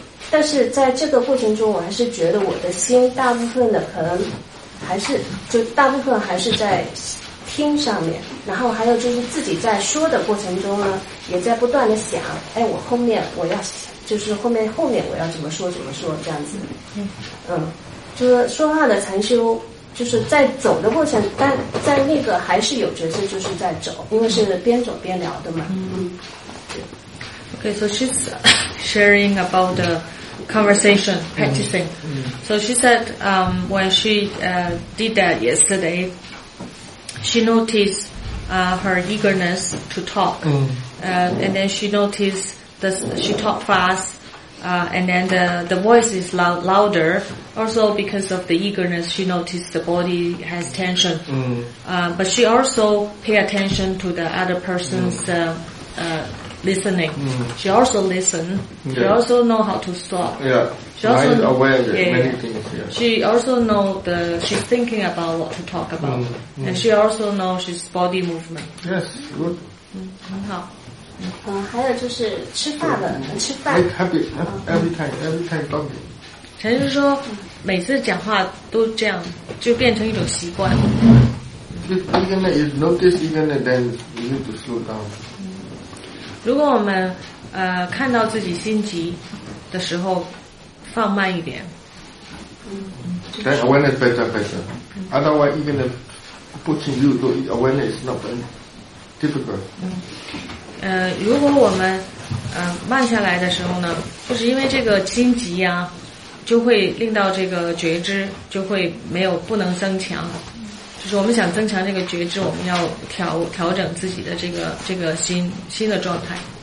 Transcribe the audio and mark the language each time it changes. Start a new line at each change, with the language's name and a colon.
Chinese: 但是在这个过程中，我还是觉得我的心大部分的可能还是就大部分还是在听上面，然后还有就是自己在说的过程中呢，也在不断的想，哎，我后面我要就是后面我要怎么说怎么说这样子。就是说话的禅修，就是在走的过程，但在那个还是有觉知，就是在走，因为是边走边聊的嘛。
English: Okay, so she's sharing about the conversation practicing. So she said when she did that yesterday, she noticed her eagerness to talk. And then she noticed she talked fast, and then the voice is louder. Also because of the eagerness, she noticed the body has tension. But she also pay attention to the other person's listening. She also listen. She also know how to stop. She also mind aware of many things. She also know the she's thinking about what to talk about. And she also know she's body movement. Yes, good.
Chinese: 很好。还有就是吃饭。
English: Make habit. Every time talking.
Chinese: 陈师说每次讲话都这样，就变成一种习惯。
English: If you notice eagerness, then you need to slow down.
Chinese: 如果我们看到自己心急的时候，放慢一点。
English: Then awareness better. Otherwise, even if pushing you to awareness is not very difficult.
Chinese: 如果我们慢下来的时候呢，就是因为这个心急呀，就会令到这个觉知就会没有不能增强。就是我们想增强这个觉知，我们要调整自己的这个新的状态。